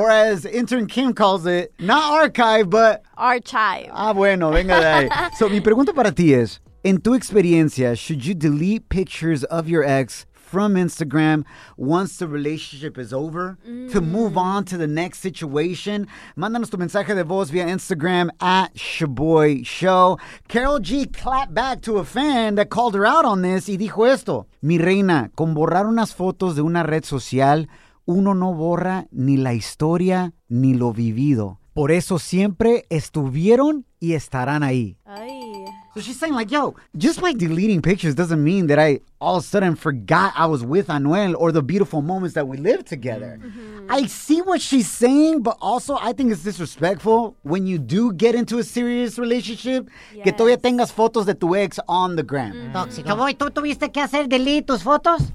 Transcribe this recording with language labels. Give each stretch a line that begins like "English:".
English: Or as intern Kim calls it, not archive, but... Archive.
Spanish: Ah, bueno, venga de ahí.
English: So,
Spanish: mi pregunta para ti es, en tu experiencia,
English: should you delete pictures of your ex from Instagram once the relationship is over to move on to the next situation?
Spanish: Mándanos tu mensaje de voz via Instagram at Shaboy Show.
English: Karol G clapped back to a fan that called her out on this
Spanish: y dijo esto. Mi reina, con borrar unas fotos de una red social, uno no borra ni la historia ni lo vivido. Por eso siempre estuvieron y estarán ahí.
English: So she's saying like, yo, just by deleting pictures doesn't mean that I all of a sudden forgot I was with Anuel or the beautiful moments that we lived together. Mm-hmm. I see what she's saying, but also I think it's disrespectful when you do get into a serious relationship, yes.
Spanish: que todavía tengas fotos de tu ex
English: on the gram.
Spanish: Toxico, ¿tú tuviste que hacer delete tus fotos?